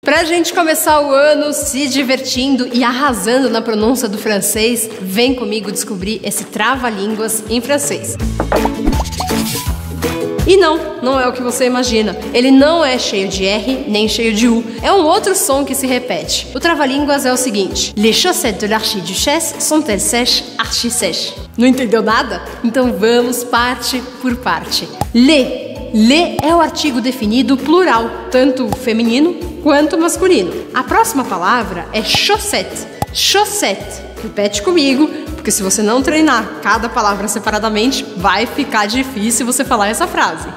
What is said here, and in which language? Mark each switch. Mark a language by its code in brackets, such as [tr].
[pt] Pra gente começar o ano se divertindo e arrasando na pronúncia do francês, vem comigo descobrir esse trava-línguas em francês. E não, não é o que você imagina. Ele não é cheio de R, nem cheio de U. É um outro som que se repete. O trava-línguas é o seguinte. [fr] Les chaussettes de l'archiduchesse sont-elles sèches, archi-sèches? [pt] Não entendeu nada? Então vamos parte por parte. Les é o artigo definido plural, tanto feminino quanto masculino. A próxima palavra é chaussette. Chaussette. Repete comigo. Porque se você não treinar cada palavra separadamente, vai ficar difícil você falar essa frase.